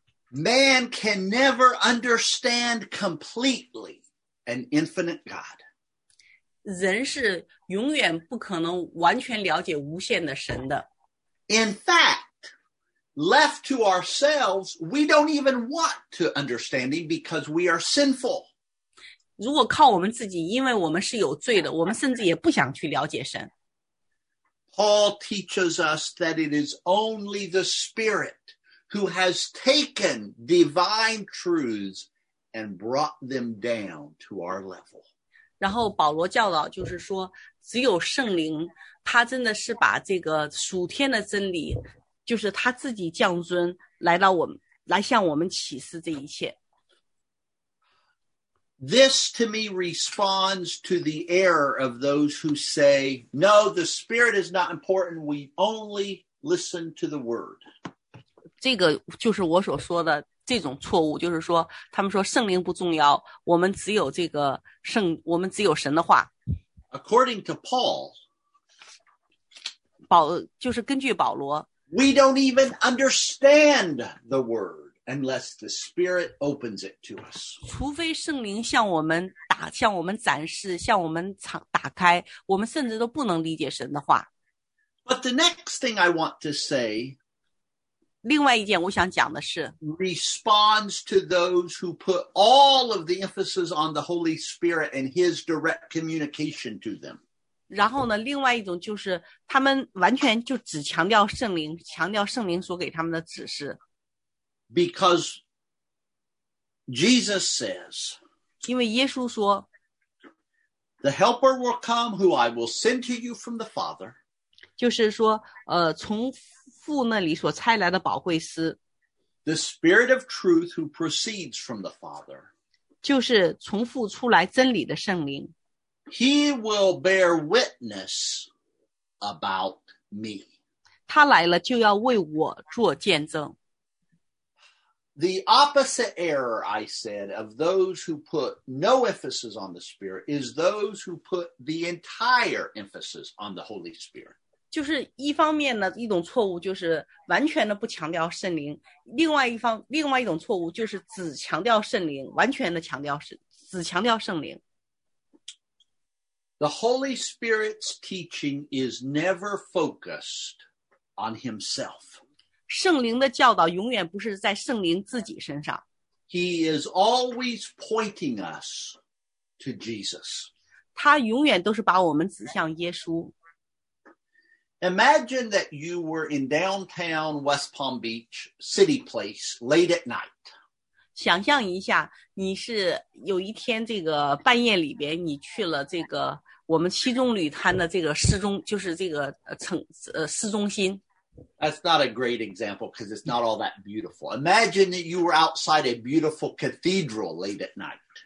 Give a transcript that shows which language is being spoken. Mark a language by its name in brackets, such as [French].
[English] Man can never understand completely an infinite God. [Chinese] 人是永远不可能完全了解无限的神的。 [English] In fact,Left to ourselves, we don't even want to understand him because we are sinful. [Chinese] 如果靠我们自己，因为我们是有罪的，我们甚至也不想去了解神。 [English] Paul teaches us that it is only the Spirit who has taken divine truths and brought them down to our level. [Chinese] 然后保罗教导就是说，只有圣灵，他真的是把这个属天的真理就是他自己降尊来到我们，来向我们启示这一切。 [English] This to me responds to the error of those who say, no, the spirit is not important, we only listen to the word. [Chinese] 这个就是我所说的这种错误，就是说他们说圣灵不重要，我们只有这个圣，我们只有神的话。 [English] According to Paul, [Chinese] 就是根据保罗， [English] We don't even understand the word unless the Spirit opens it to us. [Chinese] 除非圣灵向我们打，向我们展示，向我们打开，我们甚至都不能理解神的话。 [English] But the next thing I want to say, [Chinese] 另外一件我想讲的是 [English] responds to those who put all of the emphasis on the Holy Spirit and His direct communication to them. [Chinese] 然后呢，另外一种就是他们完全就只强调圣灵，强调圣灵所给他们的指示。 [English] Because Jesus says, [Chinese] 因为耶稣说 [English] The helper will come who I will send to you from the Father. [Chinese] 就是说从父那里所差来的宝贵师。 [English] The spirit of truth who proceeds from the Father. [Chinese] 就是从父出来真理的圣灵。 [English] He will bear witness about me. [Chinese] 他来了就要为我做见证。 [English] The opposite error, I said, of those who put no emphasis on the Spirit is those who put the entire emphasis on the Holy Spirit. [Chinese] 就是一方面呢，一种错误就是完全的不强调圣灵，另外一种错误就是只强调圣灵，完全的只强调圣灵。 [English] The Holy Spirit's teaching is never focused on himself. [Chinese] 圣灵的教导永远不是在圣灵自己身上。 [English] He is always pointing us to Jesus. [Chinese] 他永远都是把我们指向耶稣。 [English] Imagine that you were in downtown West Palm Beach, City Place, late at night. [Chinese] 想象一下，你是有一天这个半夜里边，你去了这个我们七中旅滩的这个市中，就是这个市中心。 [English] That's not a great example because it's not all that beautiful. Imagine that you were outside a beautiful cathedral late at night.